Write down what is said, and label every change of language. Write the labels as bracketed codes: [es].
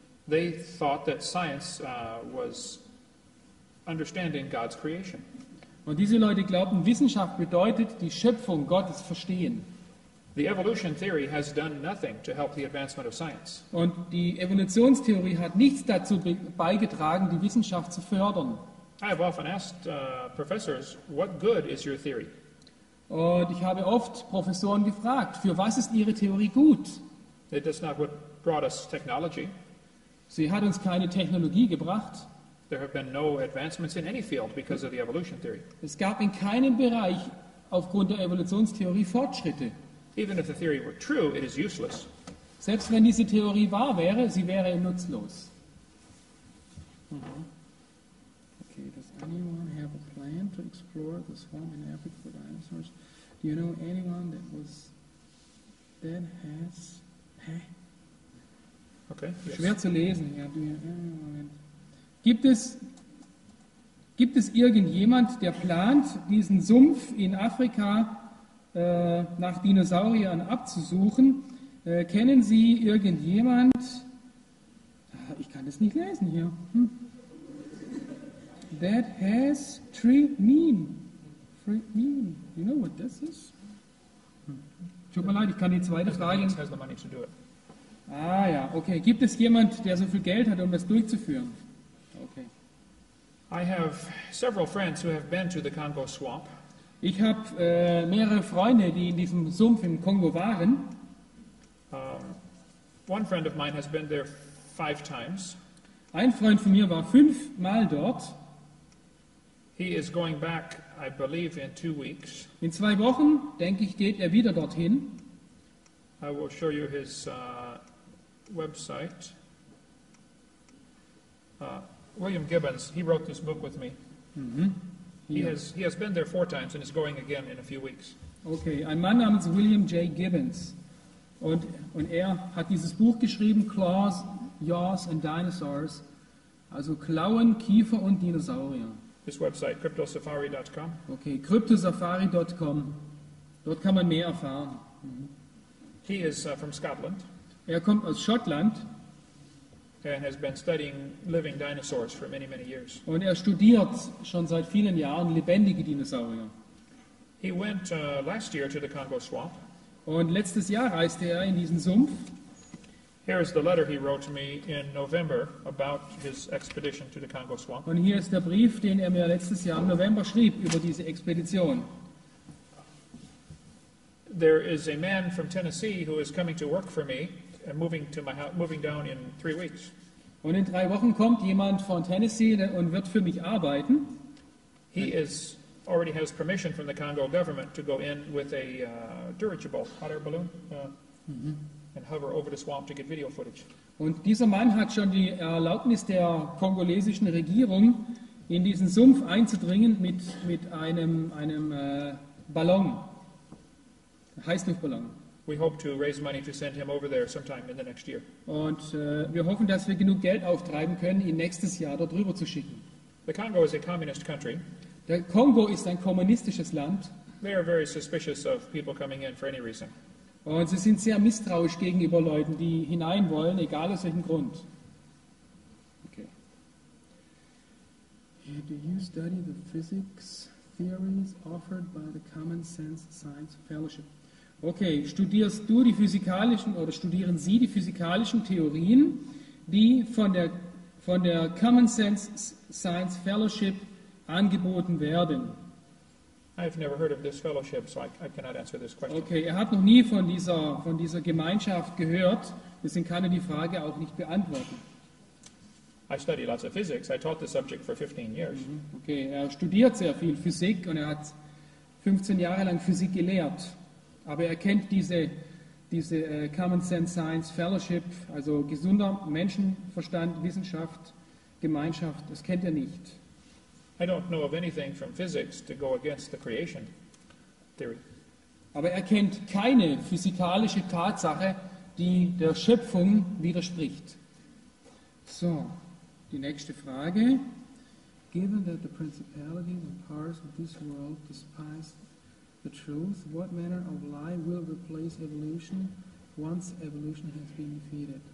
[en] They thought that science was understanding God's creation. [de] Und diese Leute glaubten, Wissenschaft bedeutet die Schöpfung Gottes verstehen. [en] The evolution theory has done nothing to help the advancement of science. [de] Und die Evolutionstheorie hat nichts dazu beigetragen, die Wissenschaft zu fördern. [en] I have often asked professors, what good is your theory? [de] Und ich habe oft Professoren gefragt, für was ist Ihre Theorie gut? [en] It is not what brought us technology. [de] Sie hat uns keine Technologie gebracht. [en] There have been no advancements in any field because of the evolution theory. [de] Es gab in keinem Bereich aufgrund der Evolutionstheorie Fortschritte. [en] Even if the theory were true, it is useless. [de] Selbst wenn diese Theorie wahr wäre, sie wäre nutzlos. [en] Okay, does anyone have a plan to explore the swamp in Africa for dinosaurs? Do you know anyone that was that has? Okay. Yes. [de] Schwer zu lesen. Ja, du, Moment. Gibt es irgendjemand, der plant, diesen Sumpf in Afrika nach Dinosauriern abzusuchen? Kennen Sie irgendjemand? Ich kann das nicht lesen hier. [en] That has tree mean. Tree mean. You know what this is? [de] Tut mir leid, ich kann die zweite Frage. Ah ja, okay. Gibt es jemand, der so viel Geld hat, um das durchzuführen? [en] Okay. I have several friends who have been to the Congo swamp. [de] Ich habe mehrere Freunde, die in diesem Sumpf im Kongo waren. [en] One friend of mine has been there 5 times. [de] Ein Freund von mir war 5 Mal dort. [en] He is going back, I believe, in 2 weeks. [de] In 2 Wochen, denke ich, geht er wieder dorthin. [en] I will show you his website. William Gibbons, he wrote this book with me. Mm-hmm. He has been there 4 times and is going again in a few weeks. [de] Okay, ein Mann namens William J. Gibbons. Und er hat dieses Buch geschrieben, Claws, Jaws and Dinosaurs. Also Klauen, Kiefer und Dinosaurier. [en] This website, cryptosafari.com. [de] Okay, cryptosafari.com. Dort kann man mehr erfahren. [en] Mm-hmm. He is from Scotland. [de] Er kommt aus Schottland. [en] And has been studying living dinosaurs for many, many years. [de] Und er studiert schon seit vielen Jahren lebendige Dinosaurier. [en] He went last year to the Congo swamp. [de] Und letztes Jahr reiste er in diesen Sumpf. [en] Here is the letter he wrote to me in November about his expedition to the Congo swamp. [de] Und hier ist der Brief, den er mir letztes Jahr im November schrieb über diese Expedition. [en] There is a man from Tennessee who is coming to work for me. And moving to my house, moving down in 3 weeks. [de] Und in 3 Wochen kommt jemand von Tennessee und wird für mich arbeiten. [en] He is already has permission from the Congo government to go in with a dirigible hot air balloon and hover over the swamp to get video footage. [de] Und dieser Mann hat schon die Erlaubnis der kongolesischen Regierung, in diesen Sumpf einzudringen mit einem Ballon, Heißluftballon. [en] We hope to raise money to send him over there sometime in the next year. [de] Und wir hoffen, dass wir genug Geld auftreiben können, ihn nächstes Jahr dort rüber zu schicken. [en] The Congo is a communist country. [de] Der Kongo ist ein kommunistisches Land. [en] They are very suspicious of people coming in for any reason. [de] Und sie sind sehr misstrauisch gegenüber Leuten, die hinein wollen, egal aus welchem Grund. [en] Okay. Do you study the physics theories offered by the Common Sense Science Fellowship? [de] Okay, studierst du die physikalischen oder studieren Sie die physikalischen Theorien, die von der Common Sense Science Fellowship angeboten werden? [en] I've never heard of this fellowship, so I cannot answer this question. [de] Okay, er hat noch nie von dieser Gemeinschaft gehört, deswegen kann er die Frage auch nicht beantworten. [en] I study lots of physics. I taught the subject for 15 years. Mm-hmm. [de] Okay, er studiert sehr viel Physik und er hat 15 Jahre lang Physik gelehrt. Aber er kennt diese Common Sense Science Fellowship, also gesunder Menschenverstand, Wissenschaft, Gemeinschaft, das kennt er nicht. [en] I don't know of anything from physics to go against the creation theory. [de] Aber er kennt keine physikalische Tatsache, die der Schöpfung widerspricht. So, die nächste Frage. [en] Given that the principalities and powers of this world despise the truth, what manner of lie will replace evolution once evolution has been defeated?